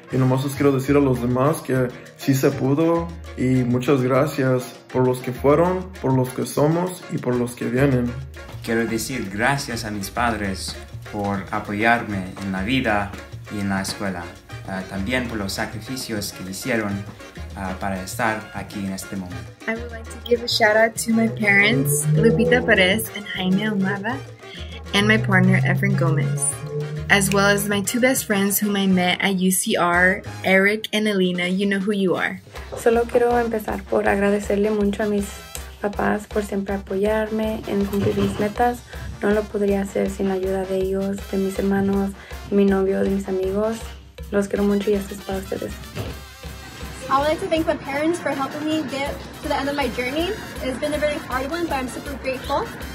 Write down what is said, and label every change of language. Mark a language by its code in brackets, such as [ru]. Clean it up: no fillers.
[es] Y nomás os quiero decir a los demás que sí se pudo y muchas gracias por los que fueron, por los que somos y por los que vienen. Quiero decir gracias a mis padres por apoyarme en la vida y en la escuela. También por los sacrificios que hicieron para estar aquí en este momento. [en] I would like to give a shout out to my parents, Lupita Perez and Jaime Almada, and my partner, Efren Gomez. as well as my two best friends whom I met at UCR, Eric and Alina. You know who you are. [es] Solo quiero empezar por agradecerle mucho a mis papás por siempre apoyarme en cumplir mis metas. No lo podría hacer sin la ayuda de ellos, de mis hermanos, de mi novio, de mis amigos. Los quiero mucho y esto es para ustedes. [en] I would like to thank my parents for helping me get to the end of my journey. It's been a very hard one, but I'm super grateful.